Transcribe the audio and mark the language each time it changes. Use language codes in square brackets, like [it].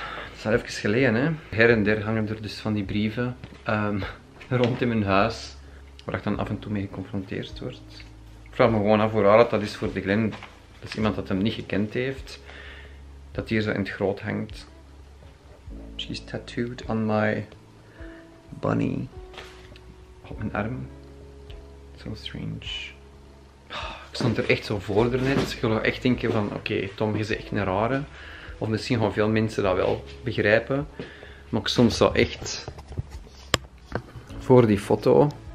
[nl] Het is al even geleden, hè. Her en der hangen er dus van die brieven rond in mijn huis. Waar ik dan af en toe mee geconfronteerd word. Ik vraag me gewoon af hoe raar dat is voor de Glenn. Dat is iemand dat hem niet gekend heeft. Dat hier zo in het groot hangt. [en] She's tattooed on my bunny. [nl] Op mijn arm. [en] So strange. [nl] Ik stond er echt zo voor daarnet. Ik wilde echt denken van, oké, Tom, je is echt een rare. Of misschien gaan veel mensen dat wel begrijpen. Maar ik stond zo echt voor die foto.